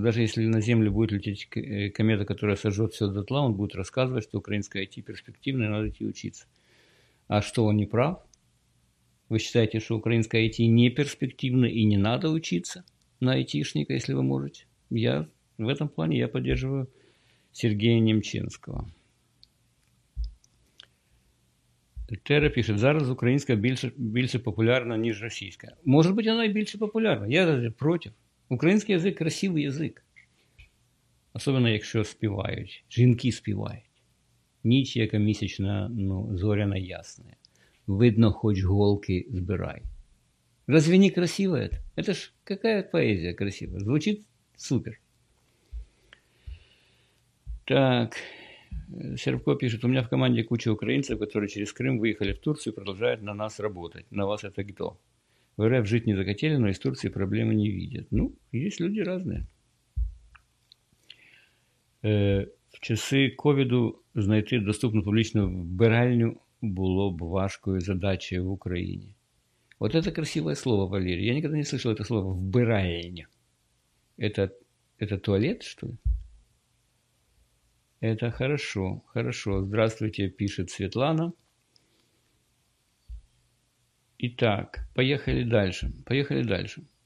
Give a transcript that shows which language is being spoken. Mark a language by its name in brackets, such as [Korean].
[Russian] Даже если на Землю будет лететь комета, которая сожжет все дотла, он будет рассказывать, что украинское IT перспективное, надо идти учиться. А что, он не прав? Вы считаете, что украинское IT не перспективно и не надо учиться на IT-шника, если вы можете? Я в этом плане я поддерживаю Сергея Немчинского. [Ukrainian] Тера пишет, зараз украинская більше популярна, ніж російська. [Russian] Может быть, она и [Ukrainian] більше популярна. [Russian] Я даже против. Украинский язык – красивый язык. Особенно, если спевают. Жінки спевают. [Ukrainian] Ніч яка місячна, ну, зоряна ясная. Видно, хоч голки збирай. [Russian] Разве не красиво это? Это ж какая поэзия красивая. Звучит супер. Так. Сербко пишет, у меня в команде куча украинцев, которые через Крым выехали в Турцию и продолжают на нас работать. На вас это кто? В РФ жить не захотели, но из Турции проблемы не видят. Ну, есть люди разные. [Ukrainian] В часы ковиду знайти доступну публічну вбиральню було б важкою задачею в Україні. [Russian] Вот это красивое слово, Валерий. Я никогда не слышал это слово «вбиральня». Это туалет, что ли? Это хорошо, хорошо. Здравствуйте, пишет Светлана. Итак, поехали дальше. Поехали дальше.